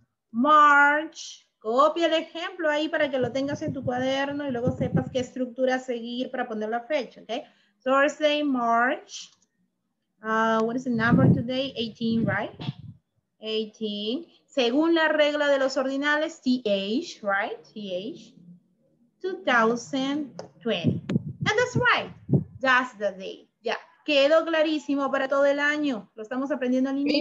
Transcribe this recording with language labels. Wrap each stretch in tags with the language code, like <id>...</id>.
<es>March, copia el ejemplo ahí para que lo tengas en tu cuaderno y luego sepas qué estructura seguir para poner la fecha, ¿ok?</es> <en>Thursday, March, what is the number today? 18, right?</en> <es>18, según la regla de los ordinales, TH, right?</es> <en>TH, 2020, and that's right, that's the day, ya. Yeah.</en> <es>Quedó clarísimo para todo el año, lo estamos aprendiendo al inicio.</es>